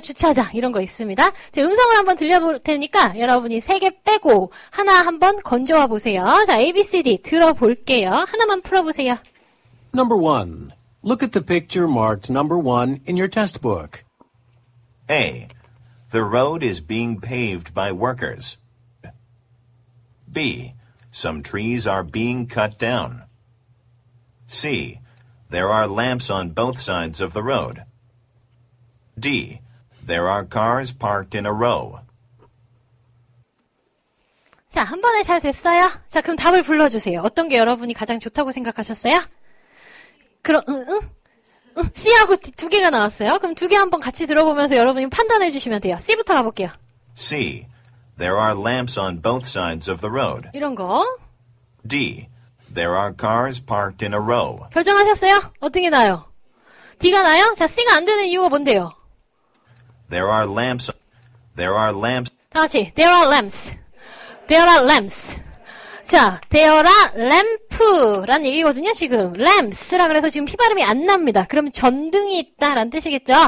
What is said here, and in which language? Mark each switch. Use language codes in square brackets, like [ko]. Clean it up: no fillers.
[ko] 주차장 이런 거 있습니다. 제 음성을 한번 들려볼 테니까 여러분이 3개 빼고 하나 한번 건져와 보세요. 자, ABCD 들어볼게요. 하나만 풀어보세요. [en] Number one, look at the picture marked number one in your test book. A. The road is being paved by workers. B. Some trees are being cut down. C. There are lamps on both sides of the road. D. There are cars parked in a row. [ko] 자, 한 번에 잘 됐어요? 자, 그럼 답을 불러주세요. 어떤 게 여러분이 가장 좋다고 생각하셨어요? 그럼 C하고 두 개가 나왔어요. 그럼 두 개 한번 같이 들어보면서 여러분이 판단해 주시면 돼요. C부터 가볼게요. [en] C. There are lamps on both sides of the road. [ko] 이런 거. [en] D. There are cars parked in a row. [ko] 결정하셨어요? 어떤 게 나아요? D가 나아요? 자, C가 안 되는 이유가 뭔데요? [en] There are lamps. There are lamps. [ko] 다 같이. [en] There are lamps. There are lamps. [ko] 자, [en] there are lamp [ko] 라는 얘기거든요, 지금. lamps라 그래서 지금 피 발음이 안 납니다. 그러면 전등이 있다라는 뜻이겠죠?